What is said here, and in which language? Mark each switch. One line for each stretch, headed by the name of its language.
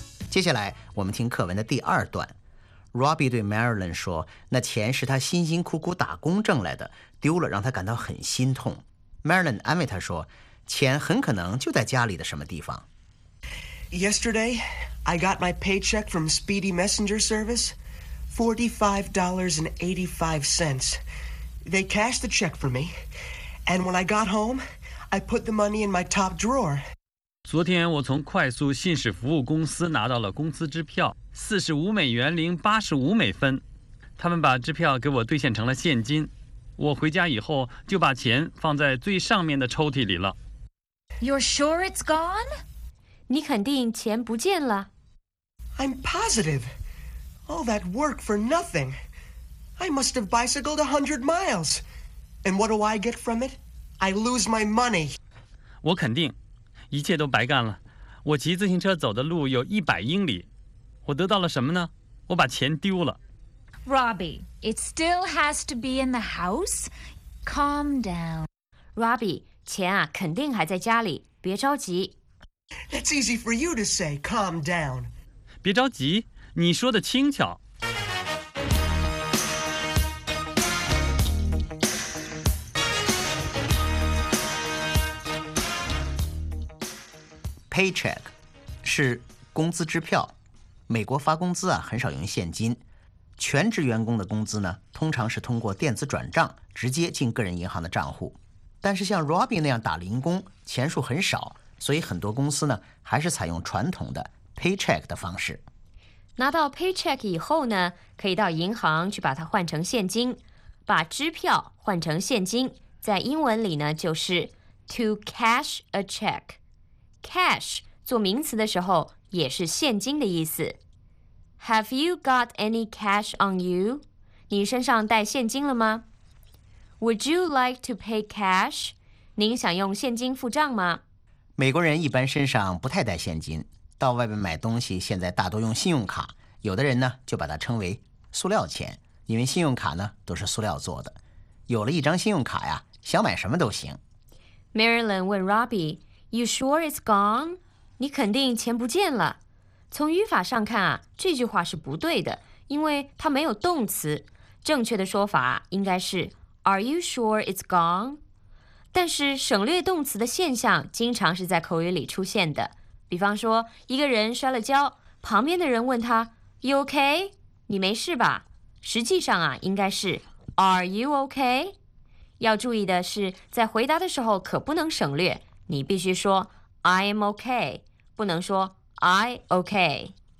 Chinese: 接下来我们听课文的第二段。Robbie 对 Marilyn 说，那钱是他辛辛苦苦打工挣来的，丢了让他感到很心痛。 Marilyn 安慰他说，钱很可能就在家里的什么地方。
English: Yesterday I got my paycheck from Speedy Messenger Service. $45.85. They cashed the check for me, and when I got home, I put the money in my top drawer.
Chinese: 昨天我从快速信使服务公司拿到了工资支票，$45.85。他们把支票给我兑现成了现金。我回家以后就把钱放在最上面的抽屉里了。
English: You're sure it's gone?
Chinese: 你肯定钱不见了。
English: I'm positive. All that work for nothing. I must have bicycled 100 miles. And what do I get from it? I lose my money.
Chinese: 我肯定，一切都白干了。我骑自行车走的路有100英里。我得到了什么呢？我把钱丢了。
English: Robbie, it still has to be in the house. Calm down.
Chinese: Robbie, 钱啊，肯定还在家里，别着急。
English: That's easy for you to say, calm down.
Chinese: 别着急，你说的轻巧。 Paycheck 是工资支票，美国发工资啊，很少用现金。全职员工的工资呢，通常是通过电子转账直接进个人银行的账户。但是像 Robbie 那样打零工，钱数很少，所以很多公司呢还是采用传统的 paycheck 的方式。拿到 paycheck 以后呢，可以到银行去把它换成现金，把支票换成现金，在英文里呢就是
English: to cash a check。
Chinese: Cash 做名词的时候也是现金的意思。
English: Have you got any cash on you?
Chinese: 你身上带现金了吗？
English: Would you like to pay cash?
Chinese: 您想用现金付账吗？美国人一般身上不太带现金，到外边买东西现在大多用信用卡，有的人呢就把它称为塑料钱，因为信用卡呢都是塑料做的。有了一张信用卡呀，想买什么都行。
English: Marilyn 问 Robbie, You sure it's gone?
Chinese: 你肯定钱不见了。从语法上看啊，这句话是不对的，因为它没有动词。正确的说法应该是
English: Are you sure it's gone?
Chinese: 但是省略动词的现象经常是在口语里出现的。比方说，一个人摔了跤，旁边的人问他
English: You OK?
Chinese: 你没事吧？实际上啊，应该是
English: Are you OK?
Chinese: 要注意的是，在回答的时候可不能省略，你必须说
English: I am OK,
Chinese: 不能说
English: I OK.